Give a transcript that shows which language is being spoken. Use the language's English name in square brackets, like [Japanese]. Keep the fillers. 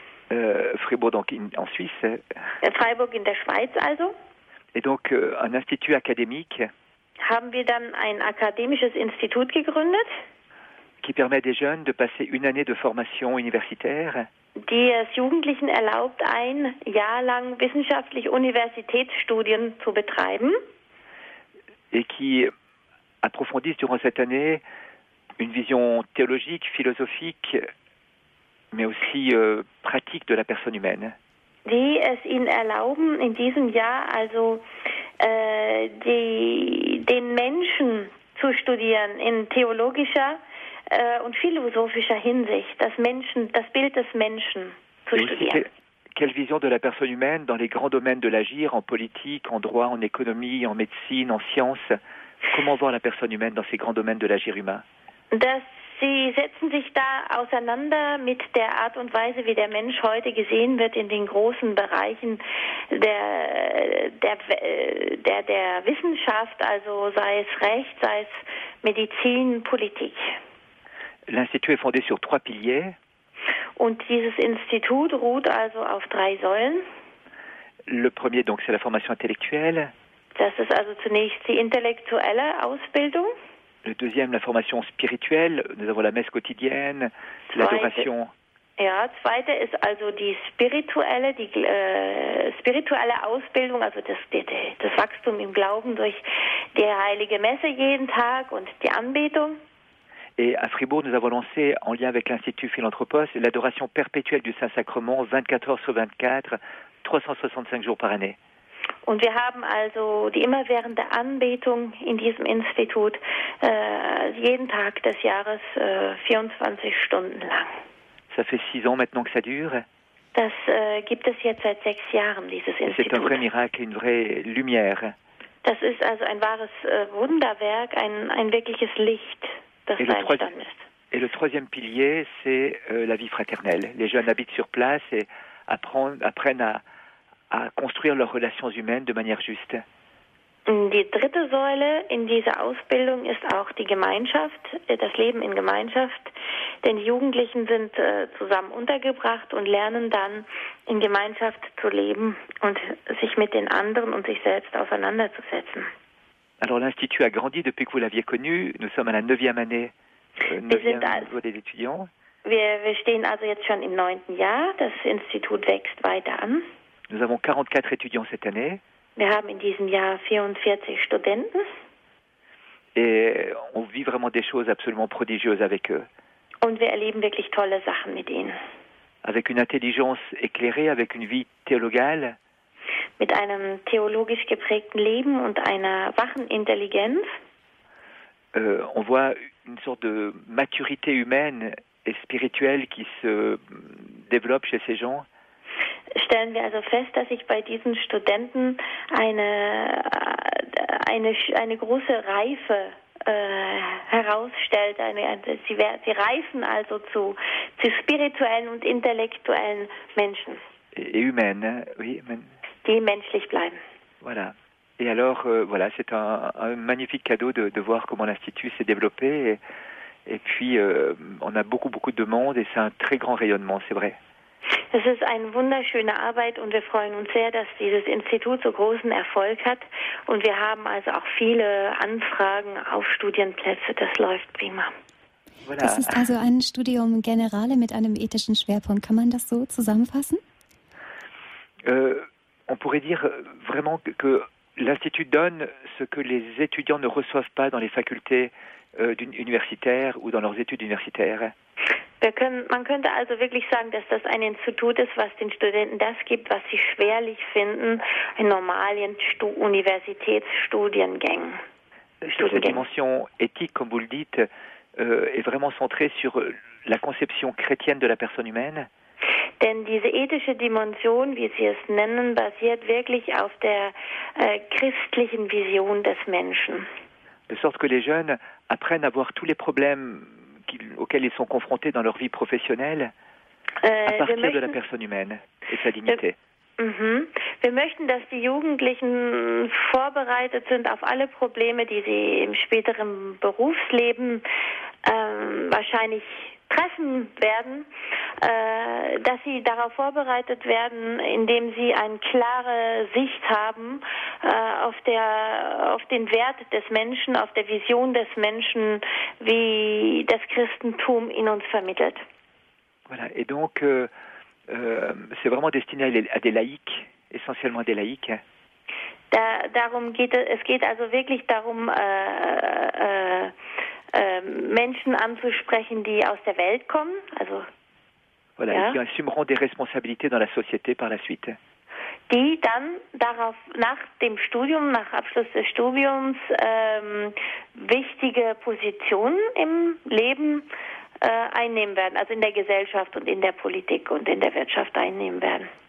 [French] euh, Fribourg donc in- en Suisse, [German] In Freiburg in der Schweiz also. [French] et donc euh, un institut académique [German] haben wir dann ein akademisches Institut gegründet, [French] qui permet à des jeunes de passer une année de formation universitaire [German] die es Jugendlichen erlaubt, ein Jahr lang wissenschaftlich Universitätsstudien zu betreiben [French] et qui approfondissent durant cette année une vision théologique, philosophique, mais aussi euh, pratique de la personne humaine. [German] die es ihnen erlauben, in diesem Jahr also äh, die, den Menschen zu studieren in theologischer äh, und philosophischer Hinsicht, das Menschen, das Bild des Menschen zu [French] Et aussi, [German] studieren. [French] quelle, quelle vision de la personne humaine dans les grands domaines de l'agir, en politique, en droit, en économie, en médecine, en sciences Comment voir la personne humaine dans ces grands domaines de l'agir humain [German] dass Sie setzen sich da auseinander mit der Art und Weise, wie der Mensch heute gesehen wird in den großen Bereichen der, der, der, der Wissenschaft, also sei es Recht, sei es Medizin, Politik. [French] L'Institut est fondé sur trois piliers. [German] Und dieses Institut ruht also auf drei Säulen. [French] Le premier, donc, c'est la formation intellectuelle. [German] Das ist also zunächst die intellektuelle Ausbildung, [French] Le deuxième, la formation spirituelle. Nous avons la messe quotidienne, [German] Zweite. [French] l'adoration. [German] Ja, zweite ist also die spirituelle, die äh, spirituelle Ausbildung, also das, die- die- das Wachstum im Glauben durch die heilige Messe jeden Tag und die Anbetung. [French] Et à Fribourg, nous avons lancé, en lien avec l'Institut Philanthropos, l'adoration perpétuelle du Saint-Sacrement, 24 heures sur 24, 365 jours par année. [German] Und wir haben also die immerwährende Anbetung in diesem Institut äh, jeden Tag des Jahres äh, 24 Stunden lang. [French] Ça fait six ans maintenant que ça dure. [German] Das äh, gibt es jetzt seit sechs Jahren, dieses [French] Et c'est un vrai [German] Institut. [French] miracle, une vraie lumière. [German] Das ist also ein wahres äh, Wunderwerk, ein, ein wirkliches Licht, das Ich da bin trotz- entstanden ist. [French] Et le troisième pilier, c'est euh, la vie fraternelle. Les jeunes habitent sur place et apprennent, apprennent à, à construire leurs relations humaines de manière juste. [German] Die dritte Säule in dieser Ausbildung ist auch die Gemeinschaft, äh, das Leben in Gemeinschaft. Denn die Jugendlichen sind äh, zusammen untergebracht und lernen dann in Gemeinschaft zu leben und sich mit den anderen und sich selbst auseinanderzusetzen. [French] Alors l'Institut a grandi depuis que vous l'aviez connu. Nous sommes à la neuvième année, euh, neuvième êtes à- niveau des étudiants. [German] Wir, wir stehen also jetzt schon im neunten Jahr. Das Institut wächst weiter an. [French] Nous avons 44 étudiants cette année [German] Wir haben in diesem Jahr 44 Studenten [French] et on vit vraiment des choses absolument prodigieuses avec eux. [German] und wir erleben wirklich tolle Sachen mit ihnen. [French] Avec une intelligence éclairée, avec une vie théologale, [German] Mit einem theologisch geprägten Leben und einer wachen Intelligenz [French] euh, on voit une sorte de maturité humaine et spirituelle qui se euh, développe chez ces gens. [German] stellen wir also fest, dass sich bei diesen Studenten eine, äh, eine, sch- eine große Reife äh, herausstellt. Eine, eine, sie, sie reifen also zu, zu spirituellen und intellektuellen Menschen, [French] et humaine, hein, oui, humaine. [German] die menschlich bleiben. [French] Voilà. Et alors, euh, voilà, c'est un, un magnifique cadeau de, de voir comment l'Institut s'est développé. Et, et puis, euh, on a beaucoup, beaucoup de monde et c'est un très grand rayonnement, c'est vrai. [German] Es ist eine wunderschöne Arbeit und wir freuen uns sehr, dass dieses Institut so großen Erfolg hat. Und wir haben also auch viele Anfragen auf Studienplätze. Das läuft prima. Voilà. Das ist also ein Studium Generale mit einem ethischen Schwerpunkt. Kann man das so zusammenfassen? [French] Euh, on pourrait dire euh, vraiment que, que l'Institut donne ce que les étudiants ne reçoivent pas dans les facultés euh, d'uni- universitaires ou dans leurs études universitaires. [German] Wir können, man könnte also wirklich sagen, dass das ein Institut ist, was den Studenten das gibt, was sie schwerlich finden in normalen Stu Universitätsstudiengängen. [French] Cette dimension éthique, comme vous le dites, euh, est vraiment centrée sur euh, la conception chrétienne de la personne humaine. [German] Denn diese ethische Dimension, wie Sie es nennen, basiert wirklich auf der äh, christlichen Vision des Menschen. [French] de sorte que les jeunes apprennent à voir tous les problèmes qu'ils- auxquels ils sont confrontés dans leur vie professionnelle à [German] Äh, wir, [French] partir de la [German] möchten, [French] personne humaine et de sa dignité. [German] mhm, wir möchten, dass die Jugendlichen vorbereitet sind auf alle Probleme, die sie im späteren Berufsleben ähm, wahrscheinlich treffen werden, äh, dass sie darauf vorbereitet werden, indem sie eine klare Sicht haben äh, auf der auf den Wert des Menschen, auf der Vision des Menschen, wie das Christentum in uns vermittelt. [French] Voilà. Et donc, euh, euh, c'est vraiment destiné à, les- à des laïcs, essentiellement à des laïcs. hein. [German] Da, darum geht es, es geht also wirklich darum, äh, äh, äh, Menschen anzusprechen, die aus der Welt kommen, also [French] Voilà, [German] Ja. [French] et qui assumeront des responsabilités dans la société par la suite. [German] die dann darauf nach dem Studium, nach Abschluss des Studiums ähm, wichtige Positionen im Leben äh, einnehmen werden, also in der Gesellschaft und in der Politik und in der Wirtschaft einnehmen werden.